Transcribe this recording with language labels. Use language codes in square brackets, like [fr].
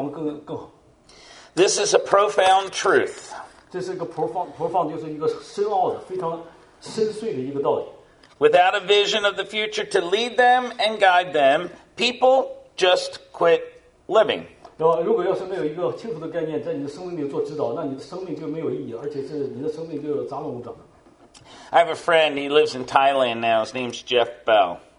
[zh] 这个中文翻译叫放肆，但是英文里面叫perish，perish就是灭亡的意思。大家看一下，这个翻译的，我觉得跟灭亡更好。 [en] This is a profound truth. [zh] 这是一个深奥的，非常深邃的一个道理。 [en] Without a vision of the future to lead them and guide them, people just quit living. [zh] 如果要是没有一个清楚的概念在你的生命里做指导，那你的生命就没有意义，而且是你的生命就杂乱无章。 [en] I have a friend, he lives in Thailand now, his name's Jeff Bell.